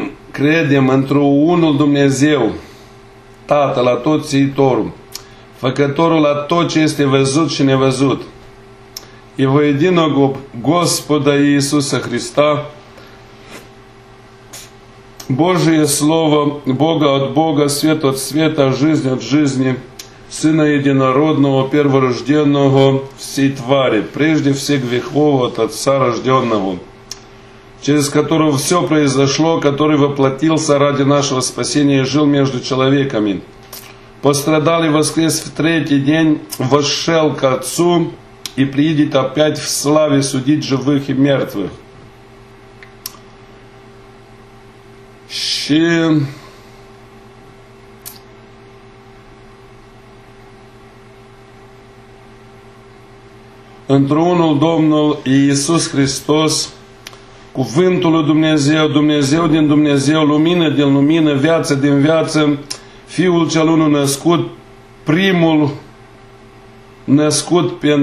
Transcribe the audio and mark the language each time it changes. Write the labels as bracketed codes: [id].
[ro] Credem într-o unul Dumnezeu, Tatăl Atotțiitorul, Făcătorul la tot ce este văzut și nevăzut. [ru] И во единого Господа Иисуса Христа, Божие Слово, Бога от Бога, Свет от Света, Жизнь от Жизни, Сына Единородного, Перворожденного всей твари, прежде всех грехов от Отца Рожденного, через Которого все произошло, Который воплотился ради нашего спасения и жил между человеками. Пострадал и воскрес в третий день, вошел к Отцу и приедет опять в славе судить живых и мертвых. [ro] Și într-unul Domnul Iisus Hristos, Cuvântul lui Dumnezeu, Dumnezeu din Dumnezeu, Lumină din Lumină, Viață din Viață, Fiul cel unu născut, primul născut